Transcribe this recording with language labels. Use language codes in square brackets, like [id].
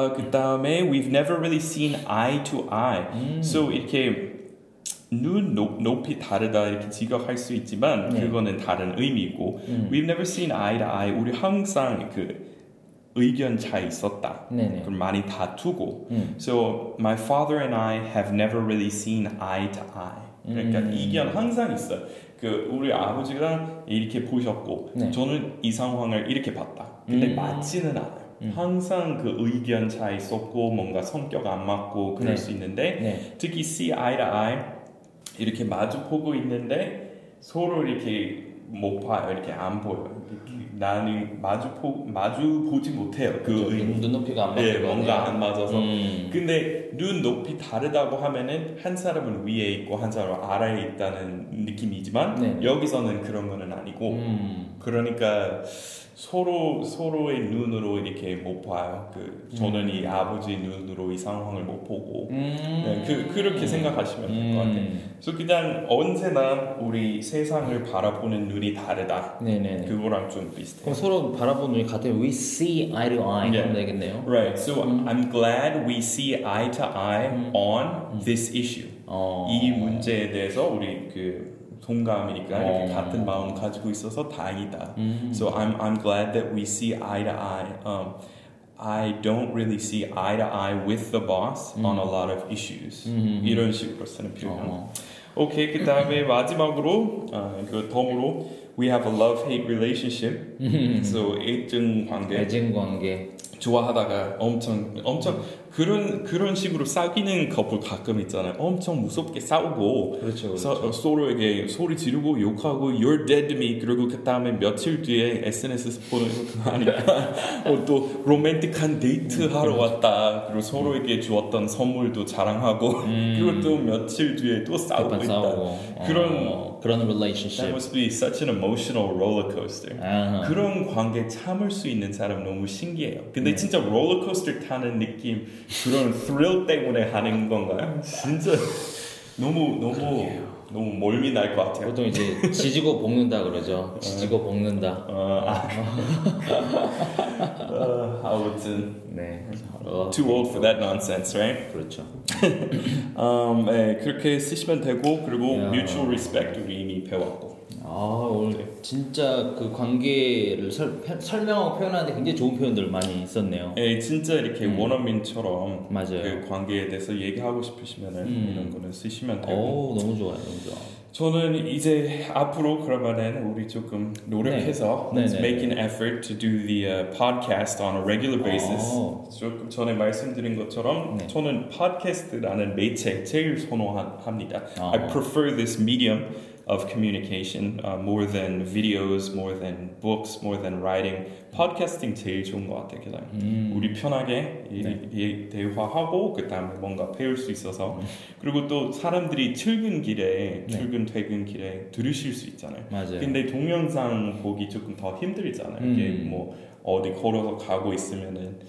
[ko] 그다음에 [en] we've never really seen eye to eye. [ko] So 이렇게 눈 높이 다르다 이렇게 직역할 수 있지만 네. 그거는 다른 의미고 [en] we've never seen eye to eye. [ko] 우리 항상 그 의견 차 있었다. 네네. 그럼 많이 다투고. [en] So my father and I have never really seen eye to eye. [ko] 그러니까 의견 항상 있어. 그 우리 아버지가 이렇게 보셨고 네. 저는 이 상황을 이렇게 봤다. 근데 맞지는 않아. 항상 그 의견 차 있었고 뭔가 성격 안 맞고 그럴 네. 수 있는데 네. 특히 [en] see eye to eye [ko] 이렇게 마주 보고 있는데 서로 이렇게 못 봐요. 이렇게 안 보여. 나는 마주 보지 못해요. 그 눈높이가 안 맞아서. 예, 뭔가 안 맞아서. 근데 눈 높이 다르다고 하면은 한 사람은 위에 있고 한 사람은 아래에 있다는 느낌이지만 네. 여기서는 그런 거는 아니고. 그러니까 서로의 눈으로 이렇게 못 봐요. 그 저는 이 아버지 눈으로 이 상황을 못 보고. 네, 그렇게 생각하시면 될 것 같아요. 그래서 그냥 언제나 우리 세상을 바라보는 눈이 다르다. 네네. 그거랑 좀 비슷해. 그럼 서로 바라보는 눈이 같아요. [en] We see eye to eye [ko] 하면 되겠네요. [en] Right. So I'm glad we see eye to eye on this issue. [ko] 이 문제에 대해서 우리 그 동감이니까 이렇게 같은 마음 가지고 있어서 다행이다. [en] So I'm glad that we see eye to eye. I don't really see eye to eye with the boss on a lot of issues. [ko] 이런 식으로 쓰는 표현. 오케이, 그 다음에 마지막으로 그 덤으로 [en] we have a love-hate relationship. [ko] So 애증 관계. 좋아하다가 엄청 그런 식으로 싸우기는 커플 가끔 있잖아요. 엄청 무섭게 싸우고 그렇죠. 서로에게 소리 지르고 욕하고 [en] you're dead to me [ko] 그리고 그다음에 며칠 뒤에 SNS 보내고 하니까 또 로맨틱한 데이트 하러 그렇죠. 왔다. 그리고 서로에게 주었던 선물도 자랑하고 그리고 또 며칠 뒤에 또 싸우고 있다. 싸우고. 그런 [en] relationship. That must be such an emotional roller coaster. [ko] 그런 관계 참을 수 있는 사람 너무 신기해요. 근데 진짜 roller coaster 타는 느낌 그런 thrill 때문에 하는 건가요? 진짜 너무 멀미 날 것 같아요. 보통 이제 지지고 볶는다 그러죠. 지지고 볶는다. 아무튼 네. [en] Too old for that nonsense, right? [ko] 그렇죠. 네, 그렇게 쓰시면 되고 그리고 mutual respect 우리 이미 배웠고. 아 오늘 네. 진짜 그 관계를 설명하고 표현하는데 굉장히 좋은 표현들 많이 있었네요. 예, 진짜 이렇게 원어민처럼 맞아요. 그 관계에 대해서 얘기하고 싶으시면은 이런 거는 쓰시면 되고. 오 너무 좋아요, 너무 좋아. 저는 이제 앞으로 그러면은 우리 조금 노력해서 네. [en] make an effort to do the podcast on a regular basis. [ko] 조금 전에 말씀드린 것처럼 네. 저는 팟캐스트라는 매체 제일 선호합니다. 아. [en] I prefer this medium. Of communication more than videos, more than books, more than writing. [ko] 팟캐스팅 제일 좋은 것 같아요. 그냥 우리 편하게 네. 대화하고 그다음에 뭔가 배울 수 있어서 그리고 또 사람들이 출근 길에 네. 출근 퇴근 길에 들으실 수 있잖아요. 맞아요. 근데 동영상 보기 조금 더 힘들잖아요. 이게 뭐 어디 걸어서 가고 있으면은